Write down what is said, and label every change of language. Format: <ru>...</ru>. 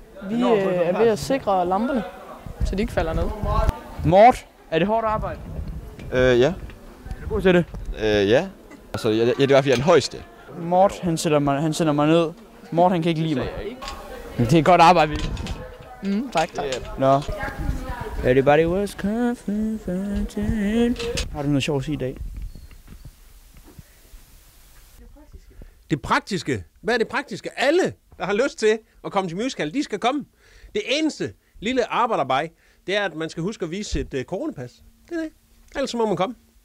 <da>Vi er ved at sikre lamperne, så de ikke falder ned. Mort, er det hårdt arbejde? Ja. Er du god til det? Ja. Altså, ja, det er i hvert fald den højeste. Mort, han sender mig ned. Mort, han kan ikke lide mig. Men det er et godt arbejde, vi. Tak, tak. Nå.</da> <en>Everybody was confident.</en> <da>Har du noget sjovt at sige i dag? Det praktiske. Hvad er det praktiske? Alle, der har lyst til at komme til musical, de skal komme. Det eneste lille arbejdearbejde, det er, at man skal huske at vise sit coronapas. Det er det. Ellers må man komme.</da>